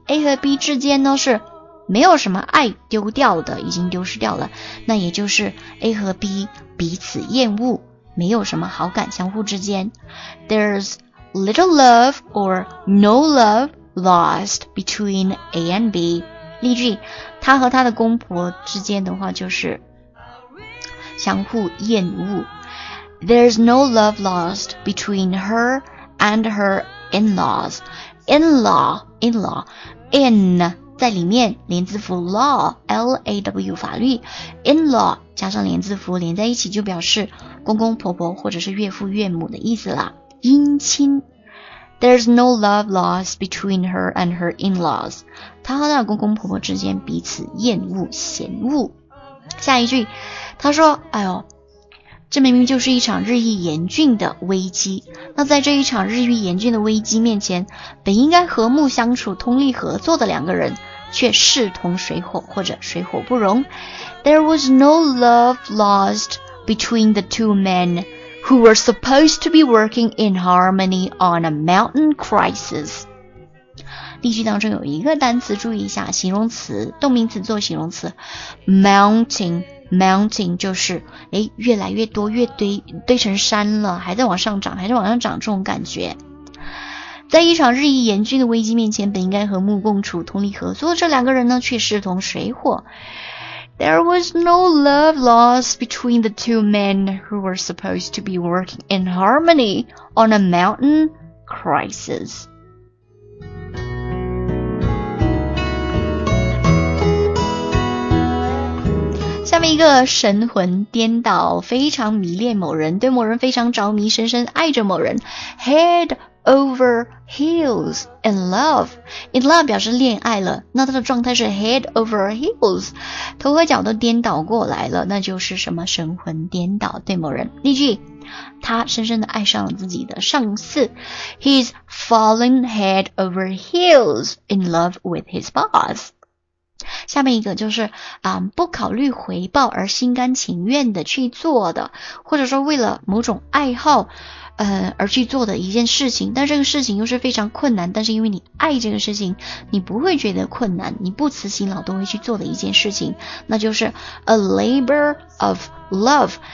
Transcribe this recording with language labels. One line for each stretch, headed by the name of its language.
Chinese: A 和 B 之间呢是没有什么爱丢掉的，已经丢失掉了，那也就是 A 和 B 彼此厌恶，没有什么好感相互之间。
English: There's little love or no love lost between A and B。
Chinese: 例句，他和他的公婆之间的话就是相互厌恶。
English: There's no love lost between her and her in-laws.
Chinese: In-law in 在里面连字符 law L-A-W 法律， in-law 加上连字符连在一起就表示公公婆婆或者是岳父岳母的意思啦，姻亲。
English: There's no love lost between her and her in-laws.
Chinese: 她和她的公公婆婆之间彼此厌恶嫌恶。下一句他说哎呦，这明明就是一场日益严峻的危机，那在这一场日益严峻的危机面前，本应该和睦相处通力合作的两个人却势同水火或者水火不容。
English: There was no love lost between the two men who were supposed to be working in harmony on a mountain crisis。
Chinese: 例句当中有一个单词注意一下，形容词动名词做形容词 mounting 就是诶越来越多，越堆成山了，还在往上涨，还在往上涨，这种感觉。在一场日益严峻的危机面前，本应该和睦共处通力合作这两个人呢却势同水火。
English: There was no love lost between the two men who were supposed to be working in harmony on a mountain crisis。
Chinese: 下面一个神魂颠倒，非常迷恋某人，对某人非常着迷，深深爱着某人。
English: Head over heels in love。
Chinese: In love 表示恋爱了，那他的状态是
English: head over heels，
Chinese: 头和脚都颠倒过来了，那就是什么神魂颠倒，对某人。例句，他深深地爱上了自己的上司。
English: He's fallen head over heels in love with his boss。
Chinese: 下面一个就是不考虑回报而心甘情愿的去做的，或者说为了某种爱好而去做的一件事情，但这个事情又是非常困难，但是因为你爱这个事情，你不会觉得困难，你不辞辛劳都会去做的一件事情，那就是
English: a labor of love。